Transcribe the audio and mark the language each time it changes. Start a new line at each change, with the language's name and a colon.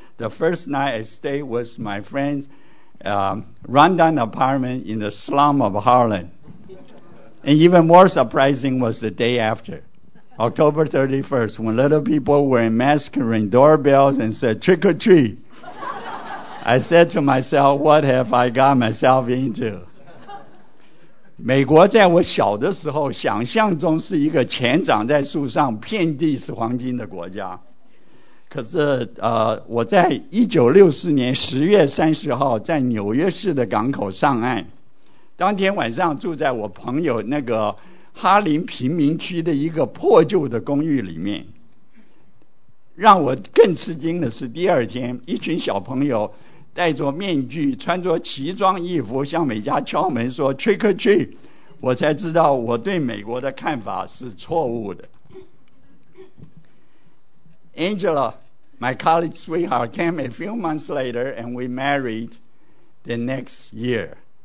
English: The first night I stayed was my friend's rundown apartment in the slum of Harlem. And even more surprising was the day after, October 31st, when little people were masking ring doorbells and said, trick or treat. I said to myself, what have I got myself into?
Chinese: 美国在我小的时候想象中是一个钱长在树上遍地是黄金的国家。可是我在1964年10月30号在纽约市的港口上岸，当天晚上住在我朋友那个哈林贫民区的一个破旧的公寓里面。让我更吃惊的是，第二天一群小朋友戴着面具穿着奇装异服向美家敲门说
English: trick or treat，
Chinese: 我才知道我对美国的看法是错误的。
English: Angela, my college sweetheart, came a few months later and we married the next year.